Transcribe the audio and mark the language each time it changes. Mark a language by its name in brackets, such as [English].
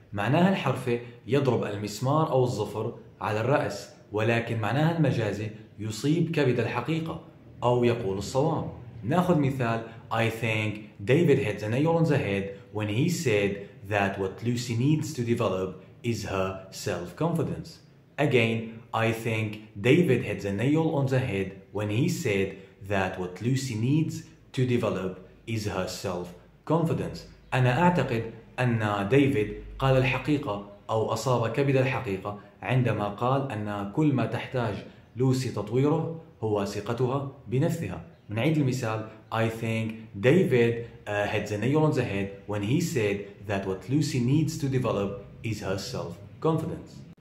[Arabic] معناها الحرفي يضرب المسمار أو الظفر على الرأس، ولكن معناها المجازي يصيب كبد الحقيقة أو يقول الصواب. نأخذ مثال. [English] I think David hit the nail on the head when he said that what Lucy needs to develop is her self-confidence. Again, I think David hit the nail on the head when he said that what Lucy needs to develop is her self-confidence. [Arabic] أنا أعتقد أن ديفيد قال الحقيقة أو أصاب كبد الحقيقة عندما قال أن كل ما تحتاج لوسي تطويره هو ثقتها بنفسها. نعيد المثال. [English] I think David hit the nail on the head when he said that what Lucy needs to develop is her self-confidence.